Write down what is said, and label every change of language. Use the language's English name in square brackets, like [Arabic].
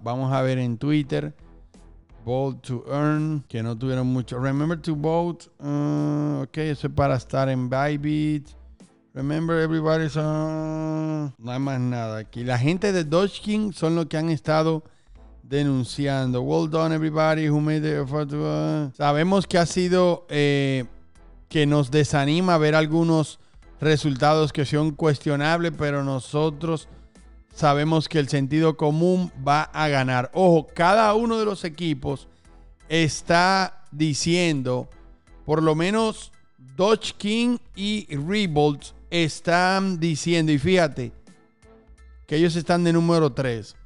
[Spanish] Vamos a ver en Twitter. [English] Vote to earn. [Spanish] Que no tuvieron mucho. [English] Remember to vote. [Spanish] Ok, eso es para estar en Bybit. [English] Remember everybody's... [Spanish] No hay más nada aquí. La gente de Dogecoin son los que han estado denunciando. [English] Well done everybody who made the effort. [Spanish] Sabemos que ha sido que nos desanima ver algunos resultados que son cuestionables, pero nosotros sabemos que el sentido común va a ganar. Ojo, cada uno de los equipos está diciendo, por lo menos Dogecoin y Revolt están diciendo, y fíjate que ellos están de número 3.